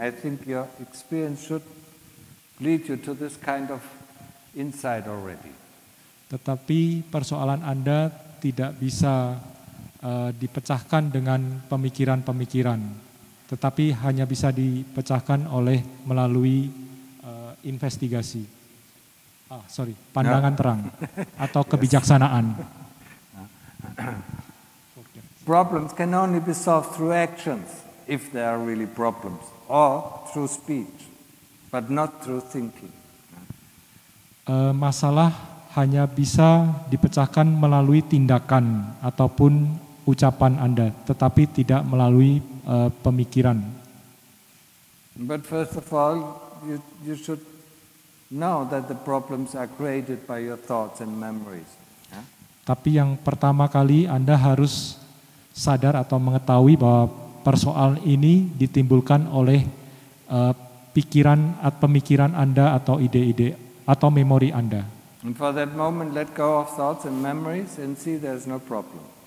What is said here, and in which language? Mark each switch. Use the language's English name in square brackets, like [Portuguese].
[English] I think your experience should lead you to this kind of insight already. [Indonesian] Tetapi persoalan Anda tidak bisa dipecahkan dengan pemikiran-pemikiran, tetapi hanya bisa dipecahkan oleh melalui investigasi. [English] Ah, sorry, [Indonesian] pandangan no. terang atau kebijaksanaan. [English] Problems can only be solved through actions if there are really problems, or through speech, but not through thinking. [Indonesian] Masalah hanya bisa dipecahkan melalui tindakan ataupun ucapan Anda, tetapi tidak melalui pemikiran. [English] But first of all, you should know that the problems are created by your thoughts and memories. [Indonesian] Tapi yang pertama kali Anda harus sadar atau mengetahui bahwa persoalan ini ditimbulkan oleh pikiran atau pemikiran Anda atau ide-ide atau memori Anda. [English] And for that moment, let go of thoughts and memories and see there's no problem.